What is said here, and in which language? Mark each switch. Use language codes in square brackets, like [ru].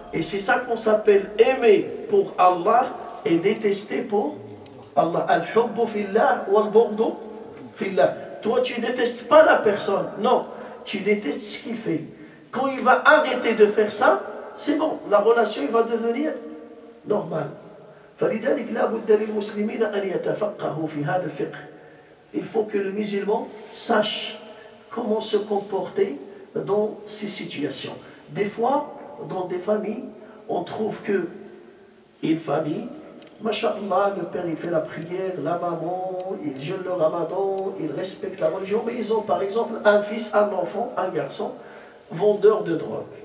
[fr] Et c'est ça qu'on s'appelle aimer pour Allah et détester pour Allah. Al-hubbu fillah wa al-bughdu fillah. Toi, tu ne détestes pas la personne. Non, tu détestes ce qu'il fait. Quand il va arrêter de faire ça, c'est bon, la relation va devenir normale. [ar] فلذلك لا بد للمسلمين ان يتفقهوا في هذا الفقه. [fr] Il faut que le musulman sache comment se comporter dans ces situations. Des fois, dans des familles, on trouve que une famille, mashallah, le père il fait la prière, la maman, il jeûne le ramadan, il respecte la religion, mais ils ont par exemple un fils, un enfant, un garçon, vendeur de drogue.